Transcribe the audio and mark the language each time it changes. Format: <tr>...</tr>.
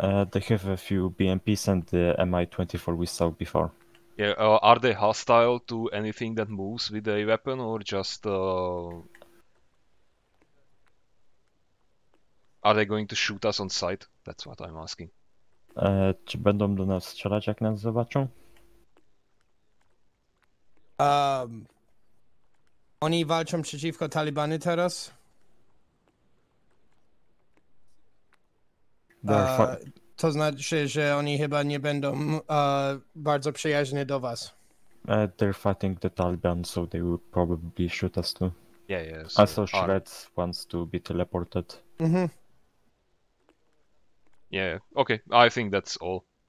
<en>They have a few BMPs and the MI-24 we saw before. Yeah, are they hostile to anything that moves with a weapon or just... Are they going to shoot us on sight? That's what I'm asking.</en> <pl>Czy będą do nas strzelać, jak nas zobaczą? Oni walczą przeciwko Talibany teraz? To znaczy, że oni chyba nie będą bardzo przyjaźni do was.</pl> <en>They're fighting the Taliban, so they will probably shoot us too. Yeah, yeah. So also, Shred wants to be teleported. Mm-hmm. Yeah, okay, I think that's all.</en>